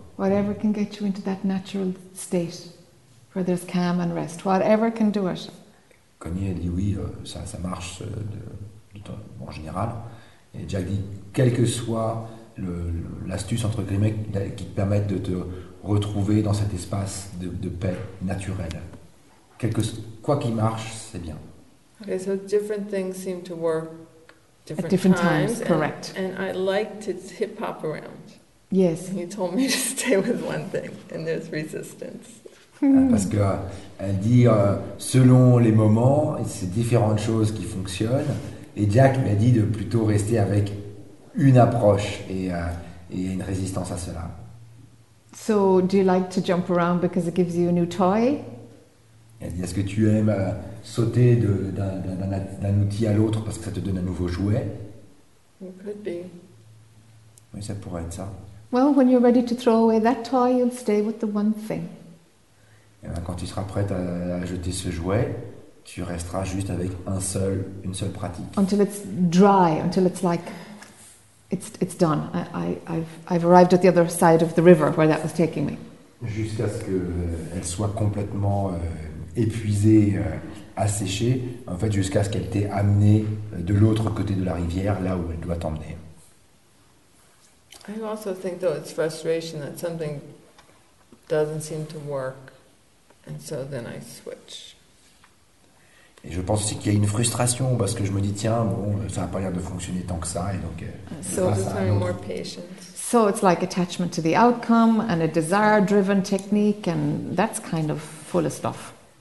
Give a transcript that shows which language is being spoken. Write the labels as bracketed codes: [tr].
[en] Whatever can get you into that natural state, where there's calm and rest, whatever can do it. [fr] Connie a dit oui, ça marche en général. Et Jack dit, quelle que soit l'astuce entre guillemets qui te permette de te retrouver dans cet espace de paix naturelle, quoi qu'il marche, c'est bien. [en] Okay, so different things seem to work at different times, correct. And I like to hip hop around. Yes. And you told me to stay with one thing, and there's resistance. [fr] Parce qu'elle dit, selon les moments, c'est différentes choses qui fonctionnent. Et Jack m'a dit de plutôt rester avec une approche et une résistance à cela. [en] So, do you like to jump around because it gives you a new toy? [fr] Elle dit, est-ce que tu aimes sauter d'un outil à l'autre parce que ça te donne un nouveau jouet? [en] It could be. [fr] Oui, ça pourrait être ça. [en] Well, when you're ready to throw away that toy, you'll stay with the one thing. [fr] Quand tu seras prête à jeter ce jouet, tu resteras juste avec une seule pratique. [en] Until it's dry, until it's like it's done. I've arrived at the other side of the river where that was taking me. [fr] Jusqu'à ce qu'elle soit complètement épuisée, asséchée. En fait, jusqu'à ce qu'elle t'ait amenée de l'autre côté de la rivière, là où elle doit t'emmener. [en] I also think though it's frustration that something doesn't seem to work. And so then I switch. [fr] Et je pense aussi qu'il y a une frustration parce que je me dis tiens bon ça n'a pas l'air de fonctionner tant que ça et donc [en] so it's becoming more patient. So it's like attachment to the outcome and a desire driven technique and that's kind of full of stuff.